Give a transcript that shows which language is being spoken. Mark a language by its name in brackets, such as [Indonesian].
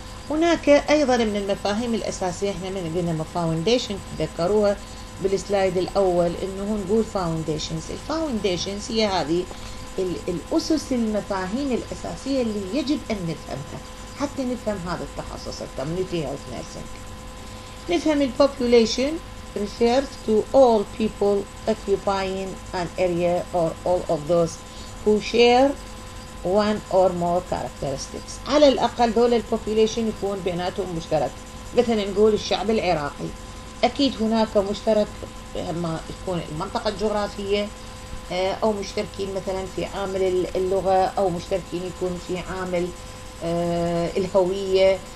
[Arabic] هناك أيضا من المفاهيم الأساسية، إحنا من قلنا foundation تذكروها بالسلايد الأول، إنه نقول foundations. الفاونديشنز هي هذه الأسس، المفاهيم الأساسية اللي يجب أن نفهمها حتى نفهم هذا التخصص الكوميونيتي هيلث نيرسينج. [English] نفهم الـ population refers to all people occupying an area or all of those who share one or more characteristics. [Arabic] على الأقل دول الـ population يكون بيناتهم مشترك. مثلا نقول الشعب العراقي، أكيد هناك مشترك، إما يكون المنطقة الجغرافية أو مشتركين مثلا في عامل اللغة، أو مشتركين يكون في عامل الهوية.